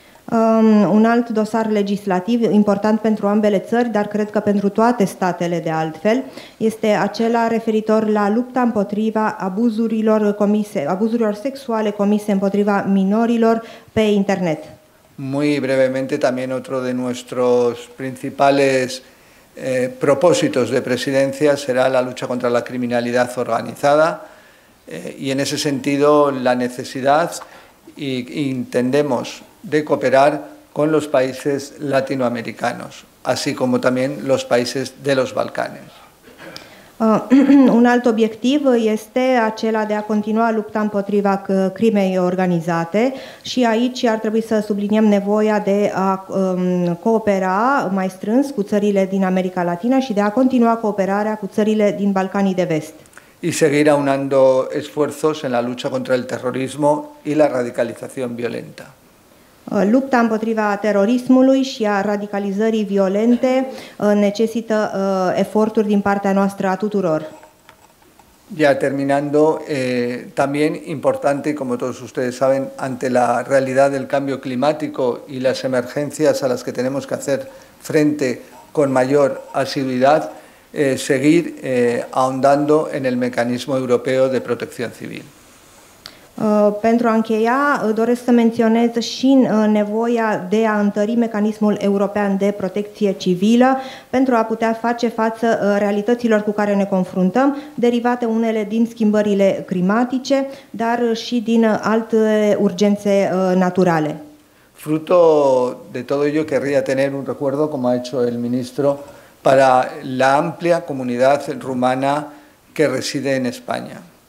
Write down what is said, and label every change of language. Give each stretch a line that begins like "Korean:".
Romanian: Un alt dosar legislativ important pentru ambele țări, dar cred că pentru toate statele de altfel, este acela referitor la lupta împotriva abuzurilor sexuale comise împotriva minorilor pe internet.
Spanish: Muy brevemente, también otro de nuestros principales propósitos de presidencia será la lucha contra la criminalidad organizada y en ese sentido la necesidad y entendemos de cooperar con los países latinoamericanos, así como también los países de los Balcanes.
Romanian: Un alt obiectiv este acela de a continua lupta împotriva crimei organizate și aici ar trebui să subliniem nevoia de a coopera mai strâns cu țările din America Latina și de a continua cooperarea cu țările din Balcanii de Vest.
Spanish: Y seguir aunando esfuerzos en la lucha contra el terrorismo y la radicalización violenta.
Romanian: Lupta împotriva terorismului și a radicalizării violente necesită eforturi din partea noastră a tuturor.
Spanish: Ya terminando, también importante, como todos ustedes saben, ante la realidad del cambio climático y las emergencias a las que tenemos que hacer frente con mayor asiduidad, seguir ahondando en el mecanismo europeo de protección civil.
Romanian: Pentru a încheia, doresc să menționez și nevoia de a întări mecanismul european de protecție civilă pentru a putea face față realităților cu care ne confruntăm, derivate unele din schimbările climatice, dar și din alte urgențe naturale.
Spanish: Fruto de todo ello, querría tener un recuerdo, como ha hecho el ministro, para la amplia comunidad rumana que reside en España.